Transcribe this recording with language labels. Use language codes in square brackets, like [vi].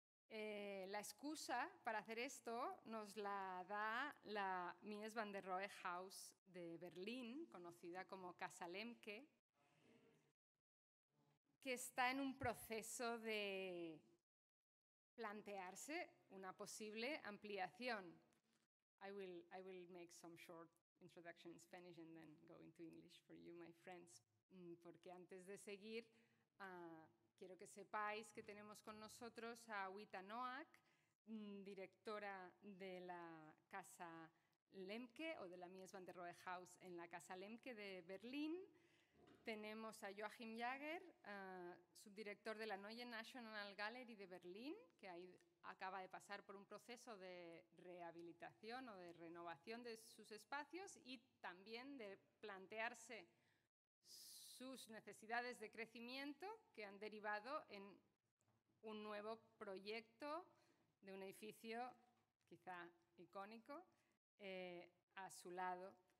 [es] La excusa para hacer esto nos la da la Mies van der Rohe Haus de Berlín, conocida como Casa Lemke, que está en un proceso de plantearse una posible ampliación. [en] I will make some short introduction in Spanish and then go into English for you, my friends. [es] Porque antes de seguir, quiero que sepáis que tenemos con nosotros a Wita Noack, directora de la Casa Lemke o de la Mies van der Rohe Haus en la Casa Lemke de Berlín. Tenemos a Joachim Jäger, subdirector de la Neue Nationalgalerie de Berlín, que acaba de pasar por un proceso de rehabilitación o de renovación de sus espacios y también de plantearse sus necesidades de crecimiento que han derivado en un nuevo proyecto de un edificio quizá icónico a su lado.